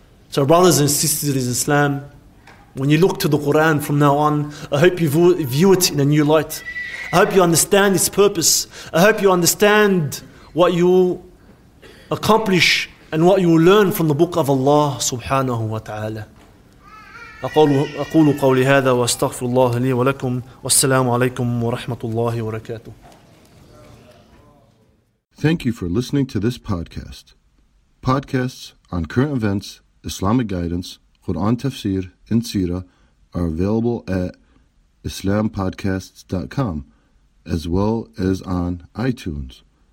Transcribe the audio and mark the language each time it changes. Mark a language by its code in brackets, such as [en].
[en] So brothers and sisters in Islam, when you look to the Quran from now on, I hope you view it in a new light. I hope you understand its purpose. I hope you understand what you accomplish and what you learn from the book of Allah subhanahu wa ta'ala. [ar] أقول قولي هذا وأستغفر الله لي ولكم والسلام عليكم ورحمة الله وبركاته. [en] Thank you for listening to this podcast. Podcasts on current events, Islamic guidance, Quran tafsir, and seerah are available at islampodcasts.com as well as on iTunes.